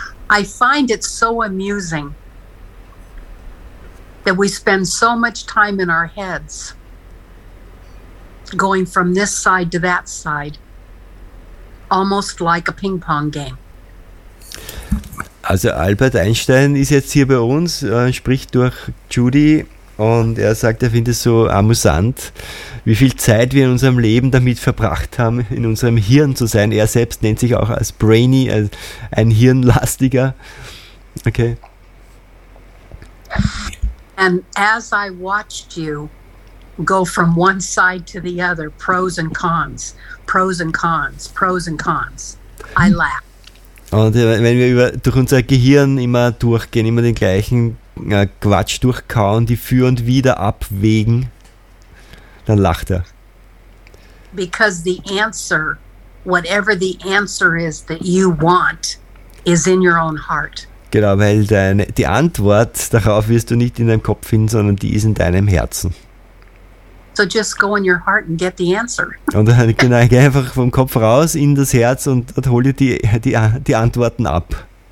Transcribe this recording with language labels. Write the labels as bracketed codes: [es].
[en] I find it so amusing that we spend so much time in our heads going from this side to that side, almost like a ping pong game. [de] Also Albert Einstein ist jetzt hier bei uns, spricht durch Judy und er sagt, er findet es so amüsant, wie viel Zeit wir in unserem Leben damit verbracht haben, in unserem Hirn zu sein. Er selbst nennt sich auch als Brainy, als ein Hirnlastiger. Okay. [en] And as I watched you go from one side to the other, pros and cons, pros and cons, pros and cons, I laughed. [de] Und wenn wir durch unser Gehirn immer durchgehen, immer den gleichen Quatsch durchkauen, die für und wieder abwägen, dann lacht er. [en] Because the answer, whatever the answer is that you want, is in your own heart. [de] Genau, weil die Antwort darauf wirst du nicht in deinem Kopf finden, sondern die ist in deinem Herzen. [en] So just go in your heart and get the answer. [de] Und genau, geh einfach vom Kopf raus in das Herz und hol dir die Antworten ab.